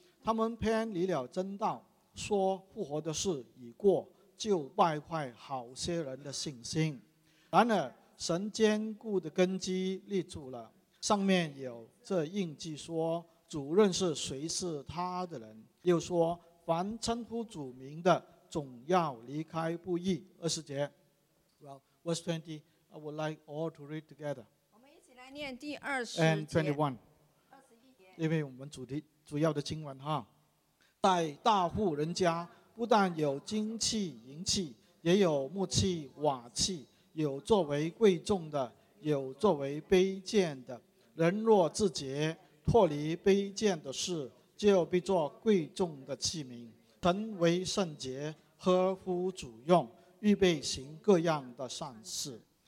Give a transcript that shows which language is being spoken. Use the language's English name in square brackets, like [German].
[Chinese] 他们偏离了真道，说复活的事已过，就败坏好些人的信心。然而神坚固的根基立住了，上面有这印记说，主认识谁是他的人，又说凡称呼主名的总要离开不义。二十节。 [English] Well, verse 20, I would like all to read together. [Chinese] 我们一起来念第二十 [English] 节。And 21. [Chinese] 21节。因为我们主要的经文哈。在大户人家，不但有金器银器，也有木器瓦器，有作为贵重的，有作为卑贱的。人若自洁，脱离卑贱的事，就必做贵重的器皿，成为圣洁，合乎主用，预备行各样的善事。